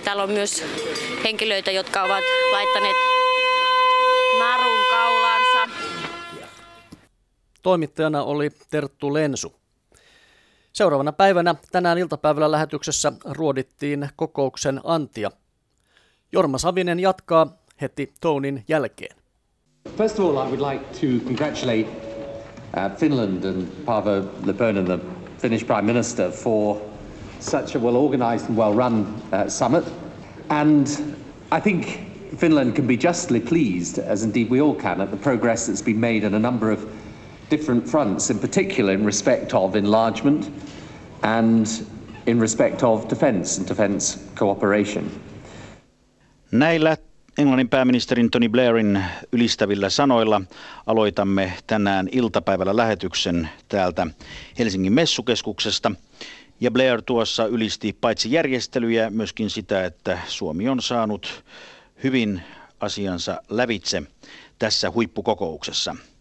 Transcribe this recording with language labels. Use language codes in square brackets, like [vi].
[fi] Täällä on myös henkilöitä, jotka ovat laittaneet narun kaulaansa. Toimittajana oli Terttu Lensu. Seuraavana päivänä tänään iltapäivällä lähetyksessä ruodittiin kokouksen antia. Jorma Savinen jatkaa heti Tonin jälkeen. [en] First of all, I would like to congratulate Finland and Paavo Lipponen, the Finnish Prime Minister, for such a well-organized and well-run summit. And I think Finland can be justly pleased, as indeed we all can, at the progress that's been made on a number of different fronts, in particular in respect of enlargement and in respect of defence and defence cooperation. [fi] Näillä Englannin pääministerin Tony Blairin ylistävillä sanoilla aloitamme tänään iltapäivällä lähetyksen täältä Helsingin messukeskuksesta. Ja Blair tuossa ylisti paitsi järjestelyjä, myöskin sitä, että Suomi on saanut hyvin asiansa lävitse tässä huippukokouksessa.